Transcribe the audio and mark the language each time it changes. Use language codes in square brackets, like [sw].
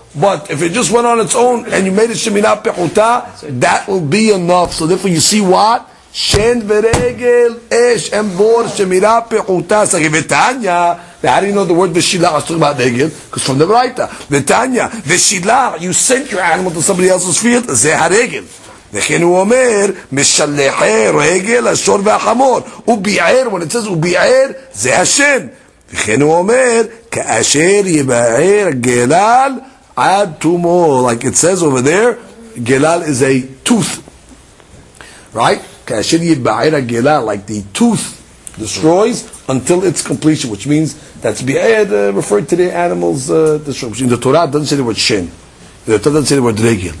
[en] But if it just went on its own and you made a shemirah pechuta, that will be enough. So therefore you see what? [he] Shen v'regel esh em bor shemirah pechuta. [en] It's like v'tanya. How do you know the word v'shilah? I was talking about regel. Because from the writer. V'tanya. V'shilah. You sent your animal to somebody else's field. [he] Zeh ha'regel. וכן הוא אומר, משלחי רגל, השור והחמור. וביער, [en] when it says, [he] וביער, זה השן. וכן הוא אומר, כאשר יבער גלל עד תומו. [en] Like it says over there, גלל is a tooth. Right? [he] כאשר יבער הגלל, [en] like the tooth destroys until its completion, which means that's ביער, referring to the animal's destruction. In the Torah, it doesn't say the word שן. The Torah doesn't say the word regel.